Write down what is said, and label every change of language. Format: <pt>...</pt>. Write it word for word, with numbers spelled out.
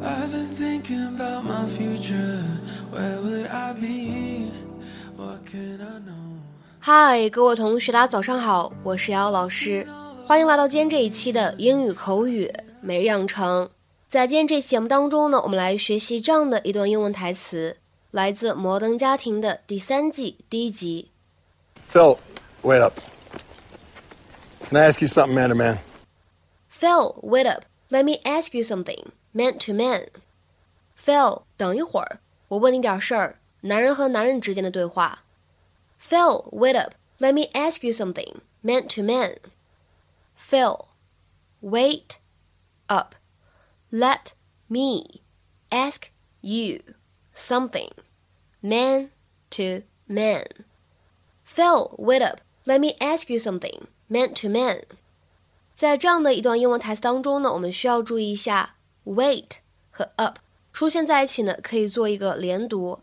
<en>been thinking about my future, where would I be? What can I know?</en> <zh>嗨，各位同学大家早上好，我是姚老师，欢迎来到今天这一期的英语口语每日养成。在今天这期节目当中呢，我们来学习这样的一段英文台词，来自《摩登家庭》的第三季第一集。</zh> <en>Phil, wait up. Can I ask you something, man to man? Phil, wait up. Let me ask you something, man to man.</en> <zh>Phil, 等一会儿，我问你点事儿，男人和男人之间的对话。</zh> <en>Phil, wait up. Let me ask you something, man to man. Phil, wait up. Let me ask you something, man to man. Phil, wait up. Let me ask you something, man to man.</en> <zh>在这样的一段英文台词当中呢，我们需要注意一下 wait 和 up 出现在一起呢，可以做一个连读。</zh>